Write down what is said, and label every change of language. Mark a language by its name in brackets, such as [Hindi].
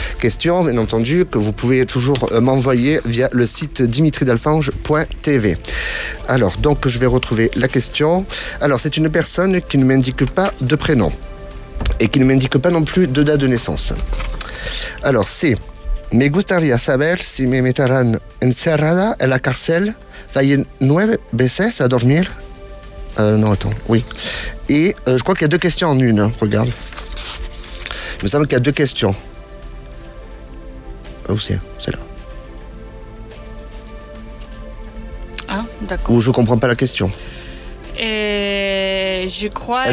[French] Questions, bien entendu, que vous pouvez toujours m'envoyer via le site dimitridalfange.tv. Alors, donc, je vais retrouver la question. Alors, c'est une personne qui ne m'indique pas de prénom. Et qui ne m'indique pas non plus de date de naissance. Alors, c'est [Spanish] Me gustaría saber si me meterán encerrada en la cárcel, fallé 9 veces a dormir. [French] Non, attends, oui. Et je crois qu'il y a 2 questions en une, regarde. Il me semble qu'il y a 2 questions. Où c'est là. Ah, d'accord. Ou je ne comprends pas la question. Je crois...